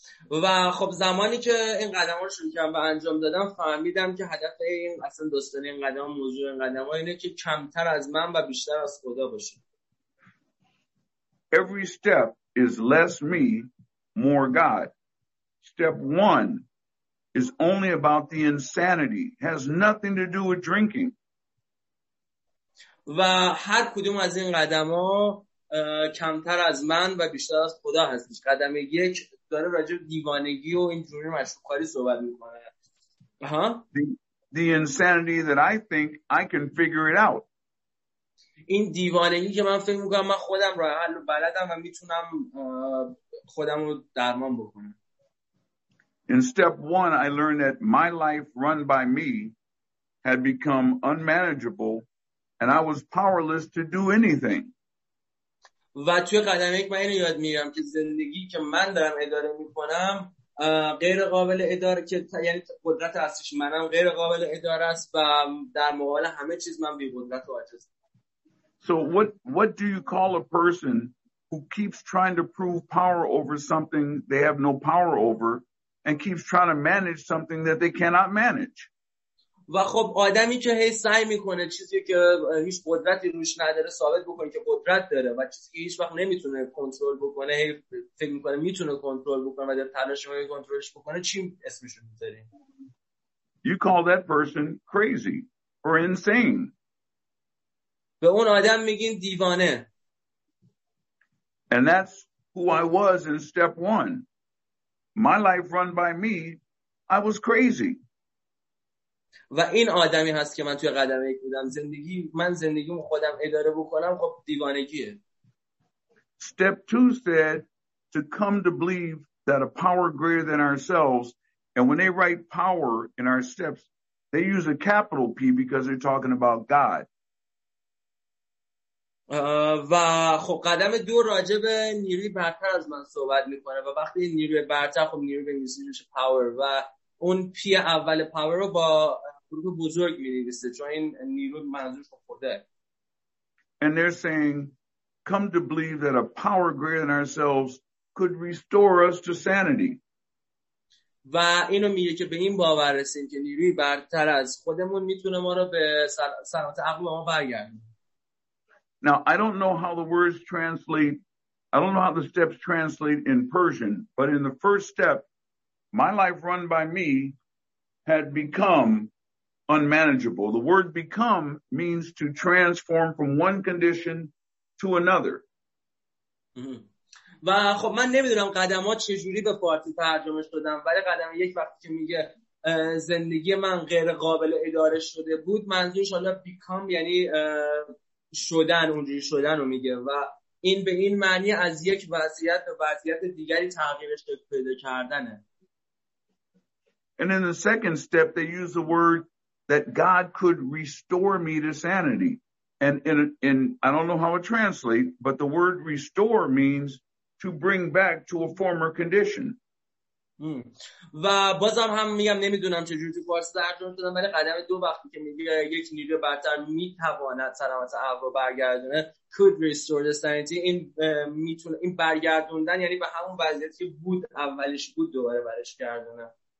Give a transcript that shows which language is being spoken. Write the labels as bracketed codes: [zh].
[fa] و خب زمانی که این قدم ها رو شروع کردم و انجام دادم فهمیدم که هدف این اصلا دوستان این قدم ها، موضوع این قدم ها اینه که کمتر از من و بیشتر از خدا باشه. [en] Every step is less me, more God. Step one is only about the insanity. Has nothing to do with drinking. [fa] و هر کدوم از این قدم ها کمتر از من و بیشتر از خدا هستش. قدم یک داره راجع به دیوانگی و اینجوری مشروبکاری صحبت میکنه. [en] The insanity that I think I can figure it out. [fa] این دیوانگی که من فکر میکنم من خودم راه حل بلدم و میتونم خودم رو درمان بکنم. [en] In step one I learned that my life run by me had become unmanageable and I was powerless to do anything. [fa] و توی قدم یک من یاد میگیرم که زندگی که من دارم اداره میکنم غیر قابل اداره، که یعنی قدرت اصلیش منم غیر قابل اداره است و در مقابل همه چیز من بی قدرت و عاجزم. [en] So what do you call a person who keeps trying to prove power over something they have no power over and keeps trying to manage something that they cannot manage? [fa] و خب آدمی که هی سعی میکنه چیزی که هیچ قدرتی روش نداره ثابت بکنه که قدرت داره و چیزی که هیچ وقت نمیتونه کنترل بکنه هی فکر میکنه میتونه کنترل بکنه و در تلاش میکنه کنترلش بکنه، چی اسمش رو میذاری؟ [en] You call that person crazy or insane. [fa] به اون آدم میگین دیوانه. [en] And that's who I was in step one. My life run by me, I was crazy. [fa] و این آدمی هست که من توی قدم یک بودم، زندگی من زندگیم خودم اداره بکنم خب دیوانگیه. [en] Step 2 said to come to believe that a power greater than ourselves, and when they write power in our steps they use a capital P because they're talking about God. [fa] و خب قدم دو راجع به نیروی برتر از من صحبت میکنه و وقتی این نیروی برتر، خب نیروی به انگلیسی میشه power، و اون پی اول power رو با گروه بزرگ می‌نویسه چون این نیرو منظورش خوده. [en] And they're saying come to believe that a power greater than ourselves could restore us to sanity. [fa] و اینو میگه که به این باور رسیم که نیروی برتر از خودمون میتونه ما رو به سلامت عقل ما برگردونه. [en] Now I don't know how the words translate. I don't know how the steps translate in Persian, but in the first step, my life run by me had become unmanageable. The word become means to transform from one condition to another. [fa] و خب من نمیدونم قدمات چجوری به فارسی ترجمه شدن، ولی قدم یک وقتی که میگه زندگی من غیر قابل اداره شده بود، منظورش حالا become یعنی شدن، اونجوری شدن رو میگه و این به این معنی از یک وضعیت به وضعیت دیگری تغییر شکل پیدا کردنه. [en] And in the second step they use the word that God could restore me to sanity. And in I don't know how it translates, but the word restore means to bring back to a former condition. [fa] و بازم هم میگم نمیدونم چجوری تو فارسی ترجمه شدن، ولی قدم دو وقتی که میگه یک نیروی برتر میتواند سلامت عقل رو برگردونه، [en] could restore the sanity، [fa] این میتونه، این برگردوندن یعنی به همون وضعیتی که بود اولش بود دوباره برش گردونه.